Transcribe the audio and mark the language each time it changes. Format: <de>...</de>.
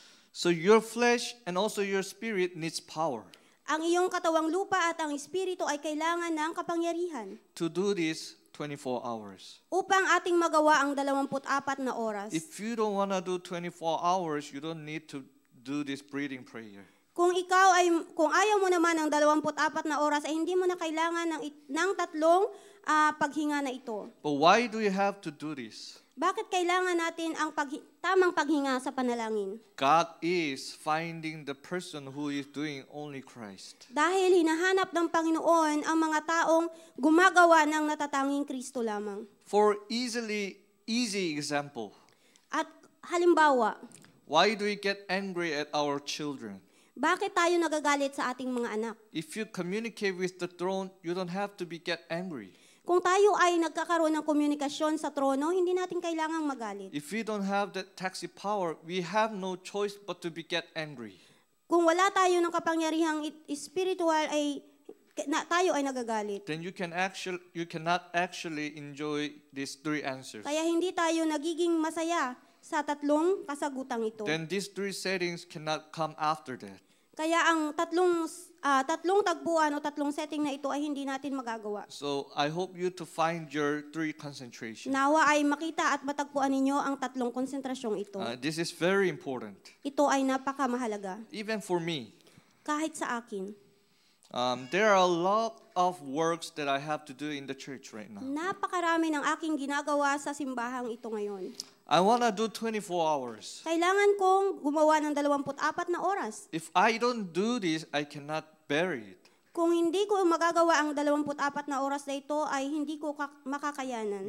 <en>So your flesh and also your spirit needs power.</en> <tl>Ang iyong katawang lupa at ang espiritu ay kailangan ng kapangyarihan.</tl> <en>To do this 24 hours.</en> <tl>Upang ating magawa ang 24 na oras.</tl> <en>If you don't want to do 24 hours, you don't need to do this breathing prayer.</en> <tl>Kung ikaw ay kung ayaw mo naman ng 24 na oras ay hindi mo na kailangan ng tatlong paghinga na ito.</tl> <en>But why do you have to do this?</en> <tl>Bakit kailangan natin ang tamang paghinga sa panalangin?</tl> <en>God is finding the person who is doing only Christ.</en> <tl>Dahil hinahanap ng Panginoon ang mga taong gumagawa ng natatanging Kristo lamang.</tl> <en>For easy example.</en> <tl>At halimbawa.</tl> <en>Why do we get angry at our children?</en> <tl>Bakit tayo nagagalit sa ating mga anak?</tl> <en>If you communicate with the throne, you don't have to get angry.</en> <tl>Kung tayo ay nagkakaroon ng komunikasyon sa trono, hindi natin kailangang magalit.</tl> <en>If we don't have that taxi power, we have no choice but to get angry.</en> <tl>Kung wala tayo ng kapangyarihang spiritual, tayo ay nagagalit.</tl> <en>Then you cannot actually enjoy these three answers.</en> <tl>Kaya hindi tayo nagiging masaya sa tatlong kasagutang ito.</tl> <en>Then these three settings cannot come after that.</en> <tl>Kaya ang tatlong tagpuan o tatlong setting na ito ay hindi natin magagawa.</tl> <en>So I hope you to find your three concentrations.</en> <tl>Nawa ay makita at matagpuan ninyo ang tatlong konsentrasyong ito.</tl> <en>This is very important.</en> <tl>Ito ay napakamahalaga.</tl> <en>Even for me.</en> <tl>Kahit sa akin.</tl> <en>There are a lot of works that I have to do in the church right now.</en> <tl>Napakarami ng aking ginagawa sa simbahang ito ngayon.</tl> <en>I want to do 24 hours.</en> <tl>Kailangan kong gumawa ng 24 na oras.</tl> <en>If I don't do this, I cannot bear it.</en> <tl>Kung hindi ko magagawa ang 24 na oras na ito, ay hindi ko makakayanan.</tl>